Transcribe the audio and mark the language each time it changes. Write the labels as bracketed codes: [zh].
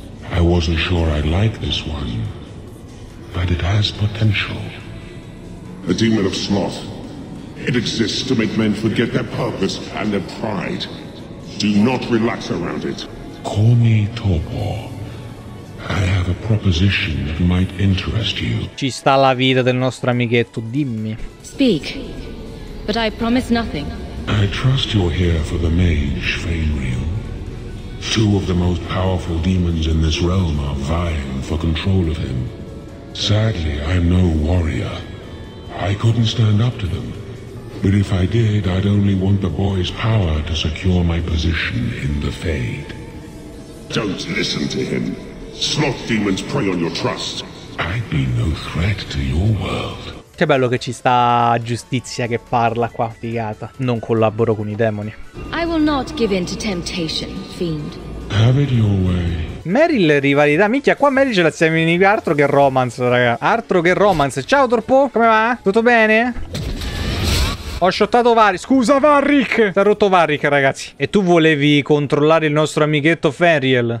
[en] I wasn't sure I'd like this one, but it has potential. A demon of sloth. It exists to make men forget their purpose and their pride. Do not relax around it. Call me Torpor. I have a proposition that might interest you. [it] Ci sta la vita del nostro amichetto, dimmi. [en] Speak, but I promise nothing. I trust you're here for the mage, Fainreal. Two of the most powerful demons in this realm are vying for control of him. Sadly, I'm no warrior. I couldn't stand up to them. But if I did, I'd only want the boy's power to secure my position in the Fade. Don't listen to him. Sloth demons prey on your trust. I'd be no threat to your world. [it] Che bello che ci sta giustizia che parla qua, figata. Non collaboro con i demoni. [en] I will not give in to temptation, fiend. Have it your way. [it] Meryl rivalità, minchia, qua Meryl ce la siamo in inimica. Altro che romance, raga. Altro che romance. Ciao, Torpo, come va? Tutto bene? Ho shottato Varric. Scusa, Varric. T'ha rotto Varric, ragazzi. E tu volevi controllare il nostro amichetto Feriel.